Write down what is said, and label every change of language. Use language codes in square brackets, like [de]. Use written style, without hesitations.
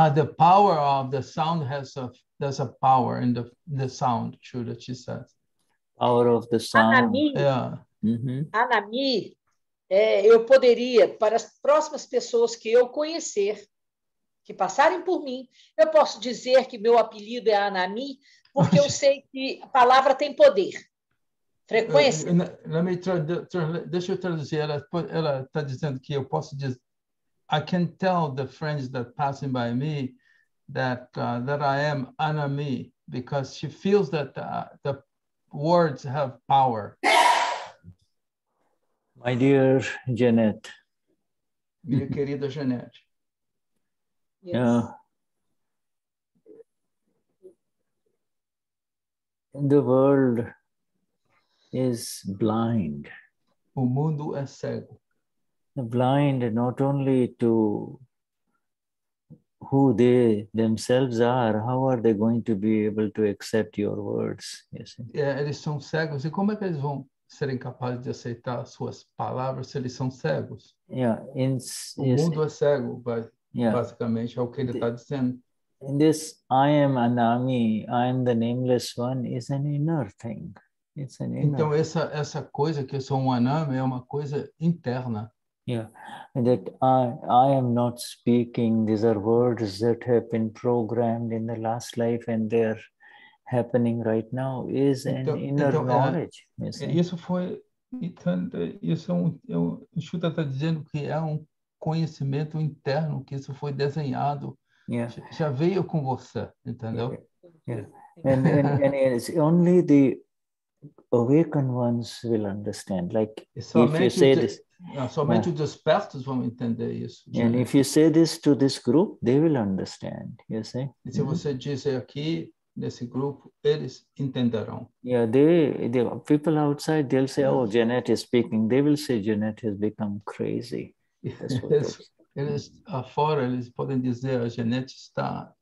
[en] The power of the sound has a, there's a power in the sound, true, that she says. Power of the sound. Anami. Yeah. [pt] Anami, eu poderia, para as próximas pessoas que eu conhecer, que passarem por mim, eu posso dizer que meu apelido é Anami, porque eu sei que a palavra tem poder. [en] Let me [pt] deixa eu traduzir. Ela está dizendo que eu posso dizer, [en] I can tell the friends that passing by me that that I am Anami because she feels that the words have power. My dear Jeanette. [pt] Minha querida Jeanette. [en] Yes. Yeah. The world is blind. [pt] O mundo é cego. [en] Blind not only to who they themselves are, how are they going to be able to accept your words? Yes. [pt] Yeah, eles são cegos. E como é que eles vão ser incapazes de aceitar suas palavras se eles são cegos? [en] Yeah, [pt] o mundo é cego, but basicamente é o que ele está dizendo. [en] In this, I am Anami, I am the nameless one, is an inner thing. [pt] Então, essa coisa que eu sou Anami é uma coisa interna. [en] Yeah, that I am not speaking, these are words that have been programmed in the last life and they're happening right now, is an inner knowledge. [pt] O Shuddha está dizendo que é conhecimento interno, que isso foi desenhado, já veio com você, entendeu? [en] And it's only the awakened ones will understand. Like, if you say this, [pt] Somente os despertos vão entender isso. [en] And if you say this to this group, they will understand. You see? [pt] E se você dizer aqui nesse grupo, eles entenderão. [en] Yeah, the people outside, they'll say, oh, Janet is speaking. They will say, Janet has become crazy. [pt] Eles afora, eles podem dizer, a Janet está...